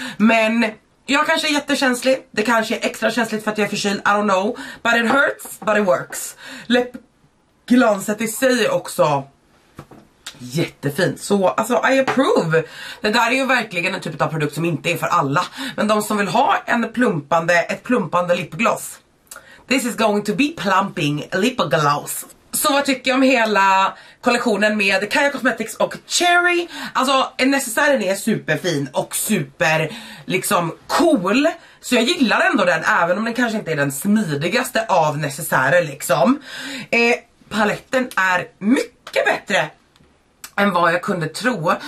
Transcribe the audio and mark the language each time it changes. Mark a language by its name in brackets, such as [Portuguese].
[Swedish] Men jag kanske är jättekänslig, det kanske är extra känsligt för att jag är förkyld, [English] I don't know. But it hurts, but it works. [Swedish] Läppglanset i sig också jättefint. Så alltså, [English] I approve. [Swedish] Det där är ju verkligen en typ av produkt som inte är för alla. Men de som vill ha en plumpande, ett plumpande lipgloss. [English] This is going to be plumping lipgloss. [Swedish] Så vad tycker jag om hela kollektionen med Kaja Cosmetics och Cherry? Alltså, necessären är superfin och super liksom cool. Så jag gillar ändå den, även om den kanske inte är den smidigaste av necessärer liksom. Paletten är mycket bättre än vad jag kunde tro.